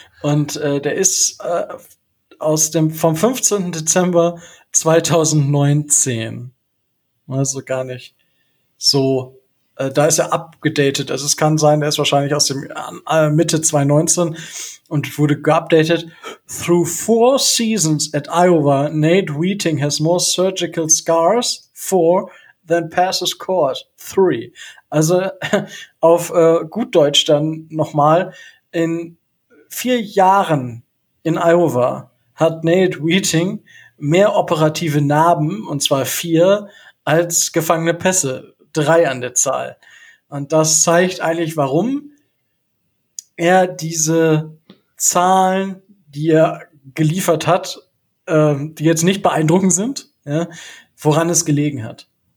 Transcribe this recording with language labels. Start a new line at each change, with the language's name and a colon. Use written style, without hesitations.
German: Und der ist vom 15. Dezember 2019. Also gar nicht so. Da ist er abgedatet. Also es kann sein, der ist wahrscheinlich aus dem Mitte 2019 und wurde geupdatet.
English: Through 4 seasons at Iowa, Nate Wheating has more surgical scars, 4, than passes caught, 3.
German: Also auf gut Deutsch dann nochmal. In 4 Jahren in Iowa hat Nate Wheating mehr operative Narben, und zwar 4, als gefangene Pässe. 3 an der Zahl. Und das zeigt eigentlich, warum er diese Zahlen, die er geliefert hat, die jetzt nicht beeindruckend sind, ja, woran es gelegen hat.